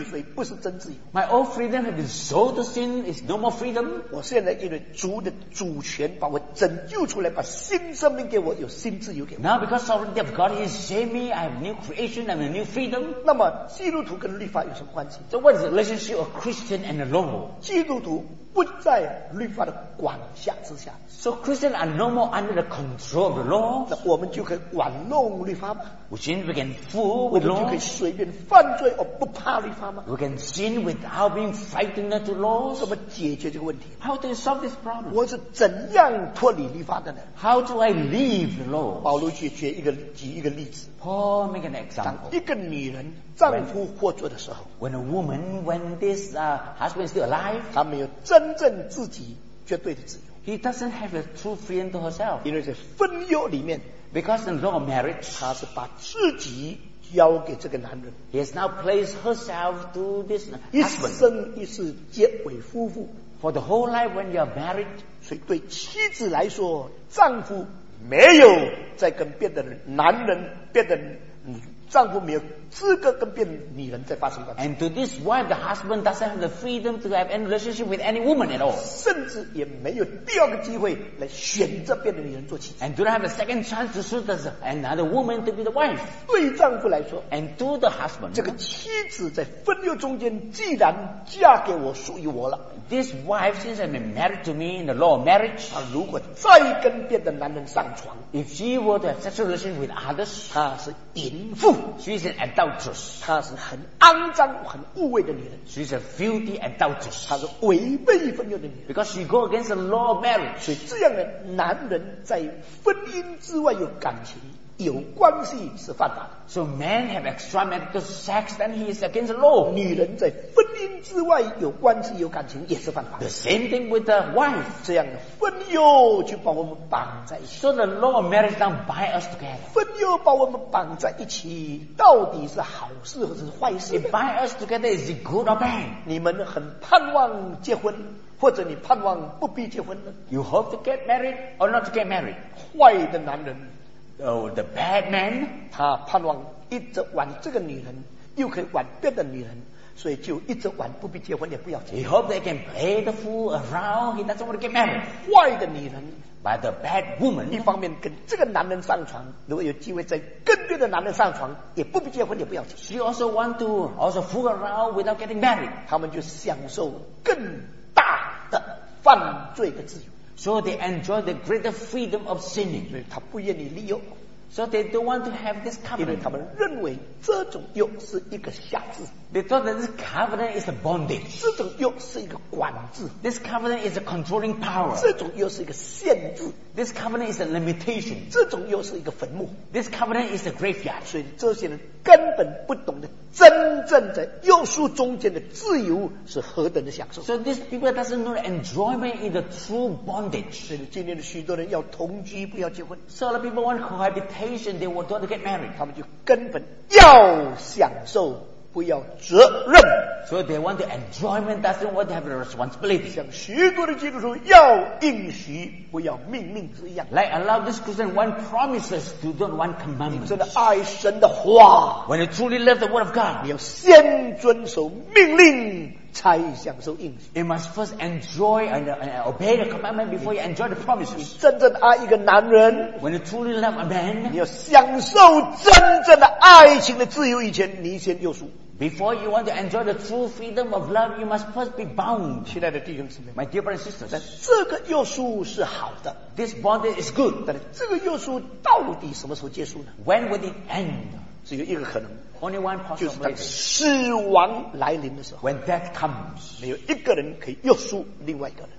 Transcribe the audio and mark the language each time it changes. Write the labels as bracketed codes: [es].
[zh] 所以不是真自由。 [en] My old freedom has been sold to sin. It's no more freedom. [zh] 我现在因为主的主权把我拯救出来，把新生命给我，有新自由给我。 [en] Now because sovereignty of God has saved me, I have new creation. I have a new freedom. [zh] 那么基督徒跟律法有什么关系 [en] ？So what is the relationship of Christian and the law? [zh] 基督徒不在律法的管辖之下。 [en] So Christians are no more under the control of the law. [zh] 那我们就可以玩弄律法吗 [en] ？Which means we can fool with law. [zh] 我们就可以随便犯罪而不怕律法吗 [en] ？We can sin without being frightened of the law. [zh] 怎么解决这个问题 [en] ？How do you solve this problem? [zh] 我是怎样脱离律法的呢 [en] ？How do I leave the law? [zh] 保罗举一个例子。 [en] Paul make an example. [zh] 一个女人丈夫获罪的时候 [en] ，When a woman when this husband is still alive， [zh] 她没有真正自己绝对的自由。 [en] He doesn't have a true freedom to herself. [zh] 因为在婚约里面 [en] ，because in law of marriage， [zh] 她是把自己交给这个男人。 [en] He has now placed herself to this husband. [zh] 一生一世结为夫妇。 [en] For the whole life when you are married， [zh] 所以对妻子来说，丈夫没有再跟别的男人、别的丈夫没有资格跟别的女人在发生关系。 [en] And to this wife, the husband doesn't have the freedom to have any relationship with any woman at all. [zh] 甚至也没有第二个机会来选择别的女人做妻子。 [en] And do not have a second chance to choose another woman to be the wife. [zh] 对丈夫来说 [en] ，And to the husband, [zh] 这个妻子在婚约中间既然嫁给我，属于我了。 [en] This wife, since I've been married to me in the law of marriage, [zh] 她如果再跟别的男人上床 [en] ，If she were to have sexual relations with others, [zh] 她是淫妇。 [en] She is an adulteress. [zh] 她是很肮脏、很污秽的女人。 [en] She is a filthy adulteress. [zh] 她是违背婚约的女人。 [en] Because she go against the law of marriage. [zh] 所以这样的男人在婚姻之外有感情、有关系是犯法的。 [en] So men have extramarital sex, then he is against the law. [zh] 女人在婚姻之外有关系、有感情也是犯法的。 [en] The same thing with the wife. [zh] 这样的婚约就把我们绑在一起。 [en] So the law of marriage now bind us together. [zh] 婚约把我们绑在一起，到底是好事还是坏事 [en] ？It bind us together. Is it good or bad? [zh] 你们很盼望结婚，或者你盼望不必结婚呢 [en] ？You hope to get married or not to get married? [zh] 坏的男人。 [en] Oh, the bad man. [zh] 他盼望一直玩这个女人，又可以玩别的女人，所以就一直玩，不必结婚也不要结婚。 [en] He hope they can play the fool around. He doesn't want to get married. [zh] 坏的女人 [en] ，by the bad woman， [zh] 一方面跟这个男人上床，如果有机会再跟别的男人上床，也不必结婚也不要结婚。 [en] She also want to also fool around without getting married. [zh] 他们就享受更大的犯罪的自由。 [en] So they enjoy the greater freedom of sinning. [zh] 对，他不愿意利用。 [en] So they don't want to have this covenant. [zh] 因为他们认为这种约是一个辖制。 [en] They thought that this covenant is a bondage. [zh] 这种约是一个管制。 [en] This covenant is a controlling power. [zh] 这种约是一个限制。 [en] This covenant is a limitation. [zh] 这种约是一个坟墓。 [en] This covenant is a graveyard. [zh] 所以这些人根本不懂得真正在约束中间的自由是何等的享受。 [en] So these people doesn't know enjoyment in the true bondage. [zh] 所以今天的许多人要同居不要结婚。 [en] So the people want cohabitation, they want to get married. [zh] 他们就根本要享受。不要责任 [en] so they want the enjoyment doesn't want to have the responsibility [zh] 像许多的基督徒要应许不要命令之一样 [en] like allow this Christian want promises to don't want commandments [zh] 你真的爱神的话 [en] when you truly love the word of God [zh] 你要先遵守命令才享受应许 [en] you must first enjoy and obey the commandment before you enjoy the promises [zh] 你真正爱一个男人 [en] when you truly love a man [zh] 你要享受真正的爱情的自由以前你先约束 [en] Before you want to enjoy the true freedom of love, you must first be bound. [zh] 亲爱的弟兄姊妹 [en] my dear brothers and sisters, [zh] 但这个约束是好的 [en] this bondage is good. [zh] 但这个约束到底什么时候结束呢 [en] when will it end? [zh] 只有一个可能 [en] only one possibility. [zh] 就是当死亡来临的时候 [en] when death comes. [zh] 没有一个人可以约束另外一个人